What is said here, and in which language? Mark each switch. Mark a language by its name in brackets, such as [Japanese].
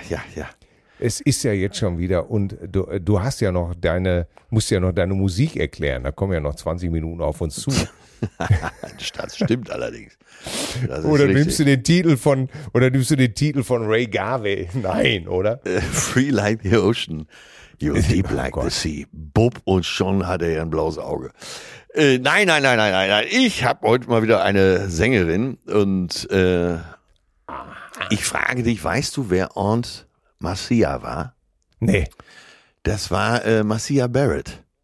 [German] Ja, ja, ja. Es ist ja jetzt schon wieder und du hast ja noch deine, musst ja noch deine Musik erklären, da kommen ja noch 20 Minuten auf uns zu. Das stimmt allerdings. Das oder ist nimmst du den Titel von Ray Garvey? Nein, oder? [English] Free like the ocean, you're deep like the sea. [German] Bob und schon hat er ja ein blaues Auge. Nein. Ich habe heute mal wieder eine Sängerin und ich frage dich, weißt du, wer Aunt Marcia war? Nee. Das war Marcia Barrett.